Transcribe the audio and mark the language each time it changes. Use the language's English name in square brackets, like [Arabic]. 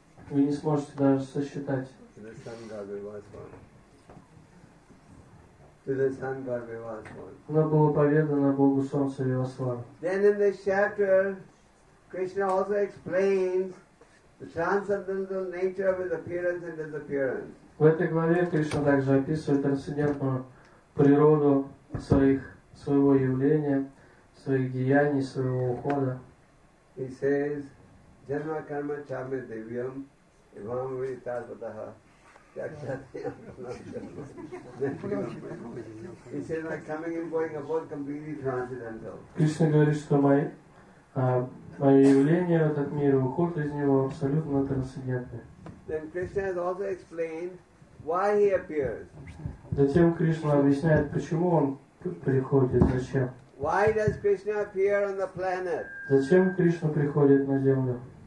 [Russian] Вы не сможете даже сосчитать. [English] The sun god Vivasvan. To the sun god Vivasvan. [Russian] Но было поведано Богу Солнца Вивасвану. [English] Then in this chapter, Krishna also explains the transcendental nature of his appearance and disappearance. [Russian] В этой главе Кришна также описывает трансцендентную природу своего явления, своих деяний, своего ухода. [English] He says, [Sanskrit] "Janma karma chame devyam, evam vritta padaha, yakshatiyam." [English] He says, "My coming and going are both completely transcendental." [Russian] Кришна говорит, что мое явление в этот мир и уход из него абсолютно трансцендентны. [English] Then Krishna has also explained why he appears. [Russian] Затем Кришна объясняет, почему он приходит, зачем. [English] Why does Krishna appear on the planet? [Russian] Зачем Кришна приходит на Землю?